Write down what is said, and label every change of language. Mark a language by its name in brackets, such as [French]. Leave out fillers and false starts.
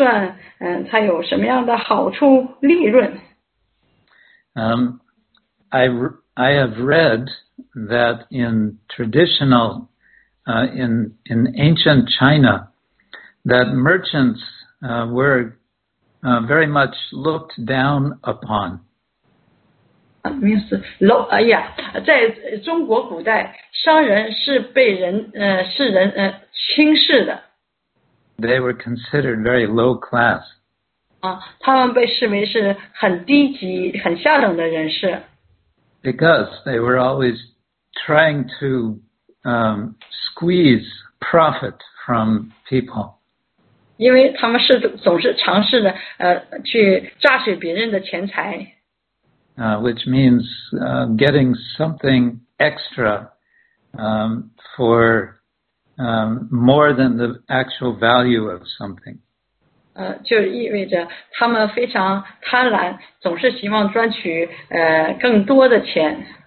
[Chinese] 他是总是在盘算他有什么样的好处利润。 [English] I have read that in traditional, in ancient China, that merchants were very much looked down upon. Means low, yeah. [Chinese] 在中国古代，商人是被人轻视的。 [English] they were considered very low class. [Chinese] 啊，他们被视为是很低级、很下等的人士。 [English] Because they were always trying to squeeze profit from people. [Chinese] 因为他们是总是尝试的去榨取别人的钱财。 [English] Which means getting something extra for more than the actual value of something. [Chinese] 就意味着他们非常贪婪，总是希望赚取更多的钱。